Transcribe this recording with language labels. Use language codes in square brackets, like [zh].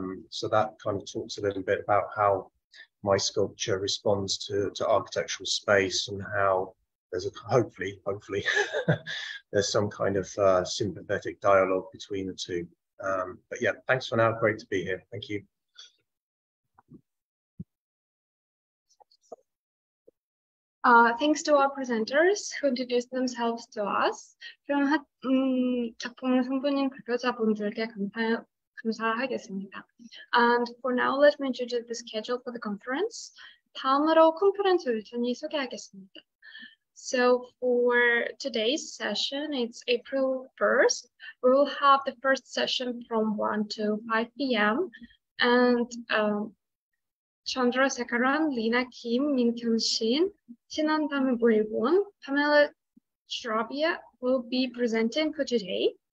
[en] So that kind of talks a little bit about how my sculpture responds to architectural space and how there's a hopefully there's some kind of sympathetic dialogue between the two. But yeah, thanks for now. Great to be here. Thank you. Thanks to our presenters who introduced themselves to us. [ko] 그럼 작품 선보인 발표자분들께 감사하겠습니다. [en] And for now, let me introduce the schedule for the conference. [ko] 다음으로 컨퍼런스 일정이 소개하겠습니다. [en] So for today's session, it's April 1st. We will have the first session from 1 to 5 p.m. And Chandrasekaran, Lina Kim, MinKyung Shin, Sinan Dam Boie, Pamela Chrabieh will be presenting for today.